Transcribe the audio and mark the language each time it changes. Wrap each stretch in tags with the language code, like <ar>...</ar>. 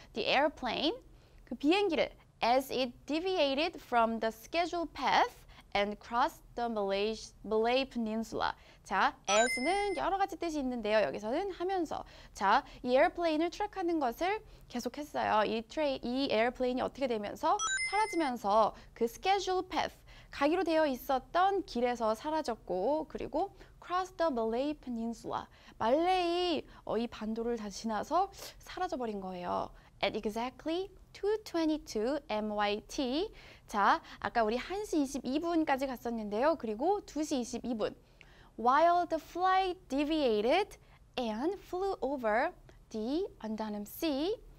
<en>The airplane,</en> <ko>그 비행기를</ko> <en>as it deviated from the scheduled path and crossed the Malay Peninsula.</en> <ko>자, as는 여러 가지 뜻이 있는데요. 여기서는 하면서. 자, 이 airplane을 트랙하는 것을 계속했어요. 이 airplane이 어떻게 되면서? 사라지면서 그</ko> <en>schedule path,</en> <ko>가기로 되어 있었던 길에서 사라졌고, 그리고</ko> <en>cross the Malay Peninsula,</en> <ko>말레이 이 반도를 다 지나서 사라져버린 거예요.</ko> <en>At exactly 2:22 MYT.</en> <ko>자, 아까 우리 1시 22분까지 갔었는데요. 그리고 2시 22분.</ko> <en>While the flight deviated and flew over the Andanam Sea.</en>